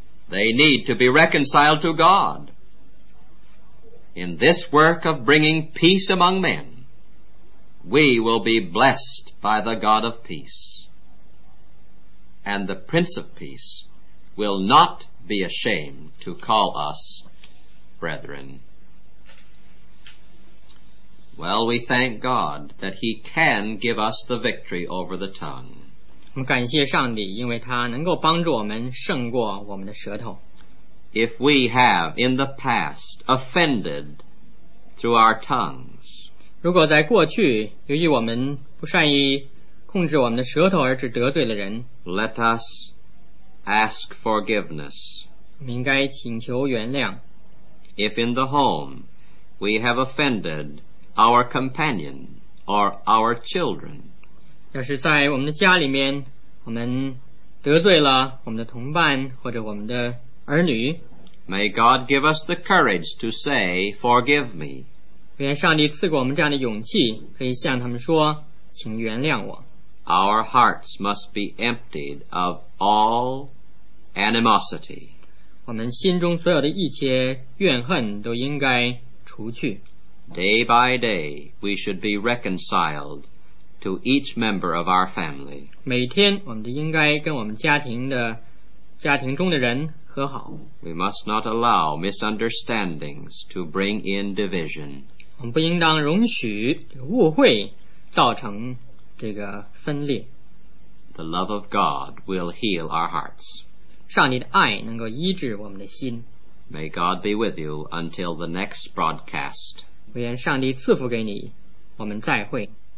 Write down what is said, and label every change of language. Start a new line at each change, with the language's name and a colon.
English: They need to be reconciled to God. In this work of bringing peace among men, we will be blessed by the God of peace. And the Prince of Peace will not be ashamed to call us brethren. Well, we thank God that He can give us the victory over the tongue.
Chinese: 我们感谢上帝，因为他能够帮助我们胜过我们的舌头。
English: If we have in the past offended through our tongues,
Chinese: 如果在过去由于我们不善于控制我们的舌头而致得罪了人，
English: Let us ask forgiveness.
Chinese: 我们应该请求原谅。
English: If in the home we have offended our companion or our children,
Chinese: 要是在我们的家里面我们得罪了我们的同伴或者我们的儿女，
English: May God give us the courage to say, forgive me.
Chinese: 愿上帝赐给我们这样的勇气，可以向他们说，请原谅我。
English: Our hearts must be emptied of all animosity.
Chinese: 我们心中所有的一切怨恨都应该除去。
English: Day by day, we should be reconciled to each member of our family.
Chinese: 每天我们都应该跟我们家庭中的人和好。
English: We must not allow misunderstandings to bring in division.
Chinese: 我们不应当容许误会造成这个分裂。
English: The love of God will heal our hearts.
Chinese: 上帝的爱能够医治我们的心。
English: May God be with you until the next broadcast.
Chinese: 愿上帝赐福给你，我们再会。